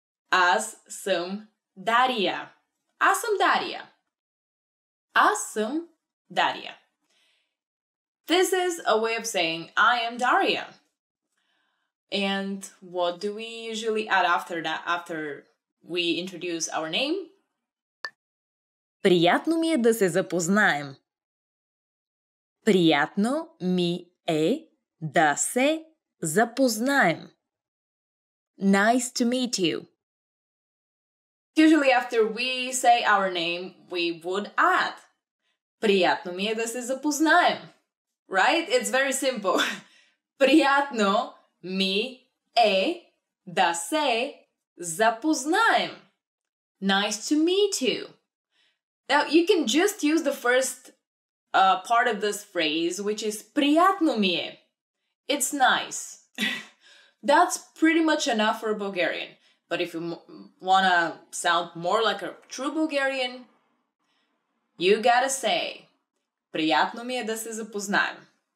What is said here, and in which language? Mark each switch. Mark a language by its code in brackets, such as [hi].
[bg] Аз съм Дария. Аз съм Дария. Аз съм Дария. [en] This is a way of saying I am Дария. And what do we usually add after that, after we introduce our name? [bg] Приятно ми е да се запознаем. Приятно ми е да се запознаем. [en] Nice to meet you. Usually after we say our name, we would add [bg] Приятно ми е да се запознаем. [en] Right? It's very simple. [bg] Приятно ми е да се Запознаем. [en] Nice to meet you. Now, you can just use the first part of this phrase, which is [bg] приятно ми е. [en] It's nice. That's pretty much enough for a Bulgarian. But if you want to sound more like a true Bulgarian, you gotta say [bg] приятно ми е да се запознаем.